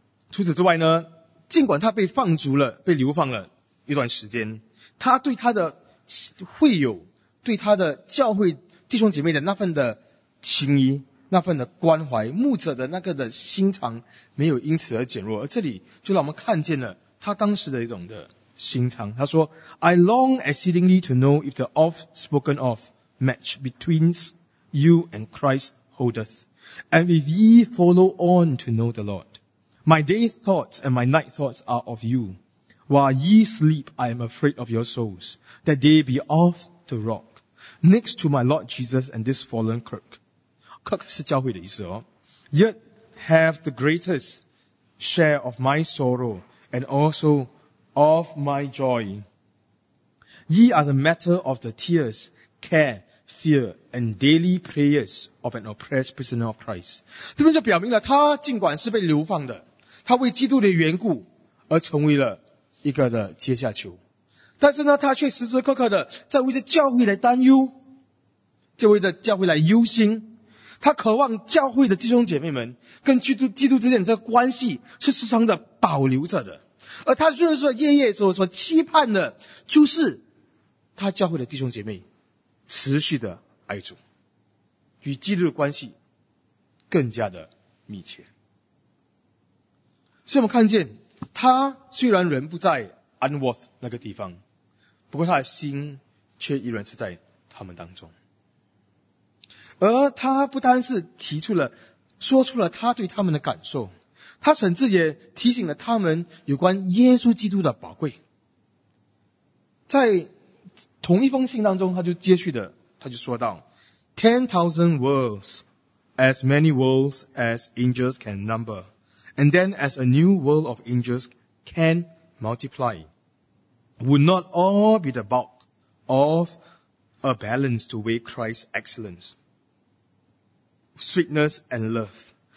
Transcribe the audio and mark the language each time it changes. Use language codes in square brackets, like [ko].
[zh] 除此之外呢，尽管他被放逐了，被流放了一段时间，他对他的会友，对他的教会弟兄姐妹的那份的情谊，那份的关怀，牧者的那个的心肠没有因此而减弱。而这里就让我们看见了他当时的一种的心肠。他说 [en] I long exceedingly to know if the oft spoken of match between you and Christ holdeth, and if ye follow on to know the Lord. My day thoughts and my night thoughts are of you. While ye sleep, I am afraid of your souls, that they be off the rock, next to my Lord Jesus and this fallen Kirk. [zh] Kirk 是教会的意思哦。 [en] Yet have the greatest share of my sorrow and also of my joy. Ye are the matter of the tears, care, fear, and daily prayers of an oppressed prisoner of Christ. [zh] 这边就表明了他尽管是被流放的，他为基督的缘故而成为了一个的阶下囚。但是呢，他却时时刻刻的在为着教会来担忧，就为着教会来忧心。他渴望教会的弟兄姐妹们跟基督之间的这个关系是时常的保留着的。而他日日夜夜所期盼的就是他教会的弟兄姐妹持续的爱主，与基督的关系更加的密切。所以我们看见他虽然人不在 Unworth 那个地方，不过他的心却依然是在他们当中。而他不单是提出了说出了他对他们的感受，他甚至也提醒了他们有关耶稣基督的宝贵。在同一封信当中，他就接续的他就说到 [en] 10,000 worlds, as many worlds as angels can number, and then as a new world of angels can multiply, would not all be the bulk of a balance to weigh Christ's excellenceSweetness and love.